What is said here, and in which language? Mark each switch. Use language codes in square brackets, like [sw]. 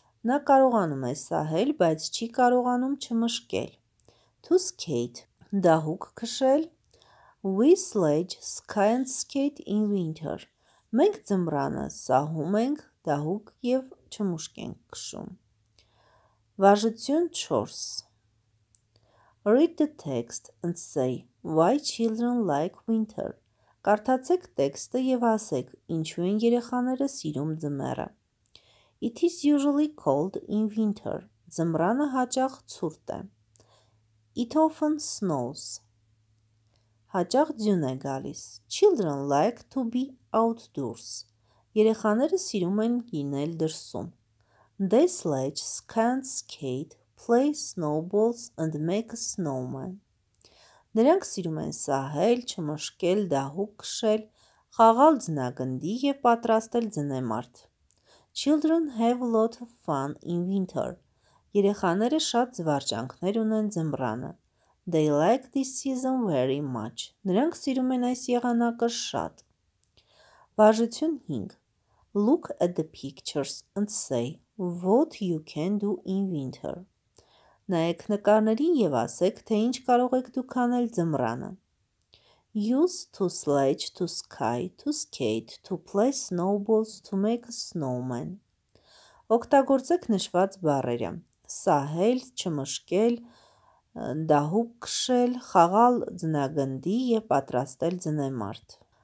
[hy] Նա կարողանում է սահել, բայց չի կարողանում չմշկել. [en] To skate, [hy] դահուկ քշել. [en] We sledge, sky and skate in winter. [hy] Մենք ձմռանը սահում ենք, դահուկ եւ չմուշկենք քշում. Վարժություն 4. [en] Read the text and say why children like winter. [hy] Կարդացեք տեքստը եւ ասեք, ինչու են երեխաները սիրում ձմեռը. [en] It is usually cold in winter. [hy] Ձմռանը հաճախ ցուրտ է. [en] It often snows. [hy] Հաճախ ձյուն է գալիս. [en] Children like to be outdoors. [hy] Երեխաները սիրում են գինել դրսում. [en] They sledge, can skate, play snowballs and make a snowman. [hy] Նրանք սիրում են սահել, չմշկել, դահուկ քշել, խաղալ ձնագնդի եւ պատրաստել ձնեմարդ. [en] Children have a lot of fun in winter. [hy] Երեխաները շատ զվարճանքներ ունեն ձմռանը. [en] They like this season very much. [hy] Նրանք սիրում են այս եղանակը շատ. Վարժություն 5. [en] Look at the pictures and say what you can do in winter. [hy] Նայեք նկարներին եւ ասեք, թե ինչ կարող եք դուք անել ձմռանը. [en] Use to sledge, to sky, to skate, to play snowballs, to make a snowman. [hy] Օգտագործեք նշված բառերը. Սահել, չմշկել, դահուկ քշել, խաղալ ձնագնդի եւ պատրաստել ձնեմարդ.